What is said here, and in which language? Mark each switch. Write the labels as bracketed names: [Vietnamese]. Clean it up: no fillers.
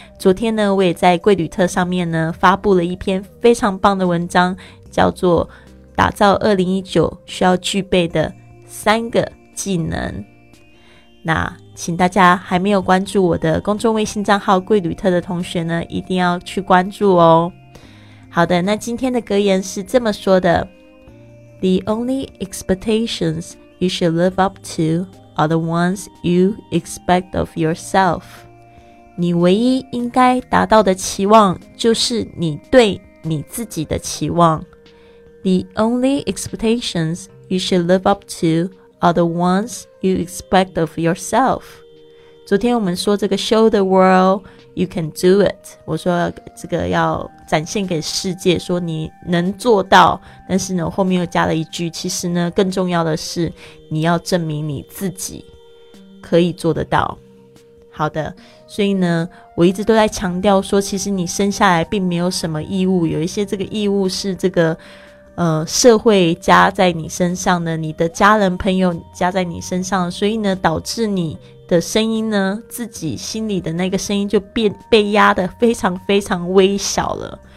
[Chinese] 昨天呢，我也在贵旅特上面呢发布了一篇非常棒的文章，叫做打造2019需要具备的三个技能。那请大家还没有关注我的公众微信账号贵旅特的同学呢，一定要去关注哦。好的，那今天的格言是这么说的， [English] The only expectations you should live up to are the ones you expect of yourself. [Chinese] 你唯一应该达到的期望就是你对你自己的期望。 [English] The only expectations you should live up to are the ones you expect of yourself. [Chinese] 昨天我们说这个 [English] show the world,You can do it. [Chinese] 我说这个要展现给世界说你能做到，但是呢后面又加了一句，其实呢更重要的是你要证明你自己可以做得到。好的，所以呢我一直都在强调说，其实你生下来并没有什么义务，有一些这个义务是这个社会加在你身上的，你的家人朋友加在你身上，所以呢导致你的声音呢，自己心里的那个声音就被压得非常非常微小了。